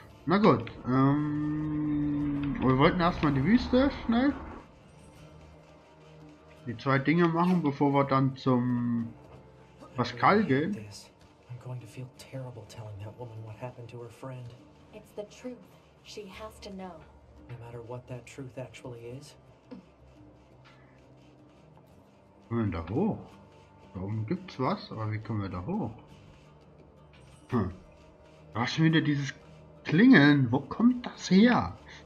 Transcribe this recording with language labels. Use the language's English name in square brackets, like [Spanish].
[German] Na gut, wir wollten erstmal die Wüste schnell. Die zwei Dinge machen, bevor wir dann zum Pascal gehen. [English] Going to feel terrible telling that woman what happened to her friend. It's the truth. She has to know. No matter what that truth actually is. [German] Kommen wir da hoch? Da oben gibt's was, aber wie kommen wir da hoch? Da ist schon wieder dieses Klingeln. Wo kommt das her?